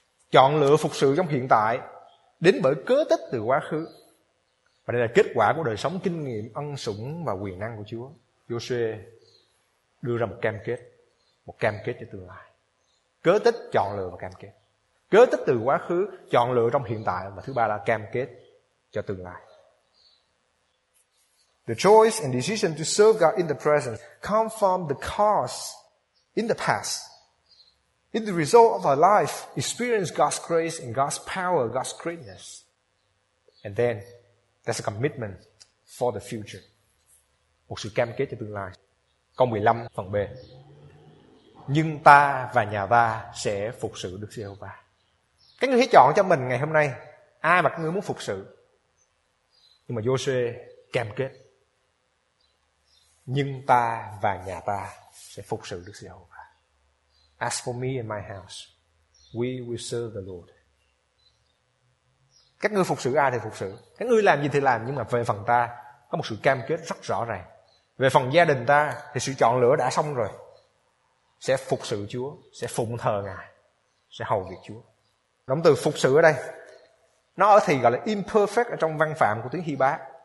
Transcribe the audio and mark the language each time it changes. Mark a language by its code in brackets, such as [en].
[vi] Chọn lựa phục sự trong hiện tại đến bởi cớ tích từ quá khứ, và đây là kết quả của đời sống kinh nghiệm ân sủng và quyền năng của Chúa. Giô-suê đưa ra một cam kết, một cam kết cho tương lai. Cớ tích, chọn lựa và cam kết. Cớ tích từ quá khứ, chọn lựa trong hiện tại, và thứ ba là cam kết cho tương lai. [en] The choice and decision to serve God in the present come from the cause in the past. In the result of our life, experience God's grace and God's power, God's greatness. And then, there's a commitment for the future. [vi] Một sự cam kết cho tương lai. Câu 15 phần B. nhưng ta và nhà ta sẽ phục sự Đức Giê-hô-va. Cái người hãy chọn cho mình ngày hôm nay ai mà các người muốn phục sự. Nhưng mà Giô-suê cam kết, nhưng ta và nhà ta sẽ phục sự Đức Giê-hô-va. [en] As for me and my house, we will serve the Lord. [vi] Các ngươi phục sự ai thì phục sự, các ngươi làm gì thì làm, nhưng mà về phần ta có một sự cam kết rất rõ ràng. Về phần gia đình ta thì sự chọn lựa đã xong rồi, sẽ phục sự Chúa, sẽ phụng thờ Ngài, sẽ hầu việc Chúa. Động từ phục sự ở đây nó ở thì gọi là imperfect ở trong văn phạm của tiếng Hy Bá.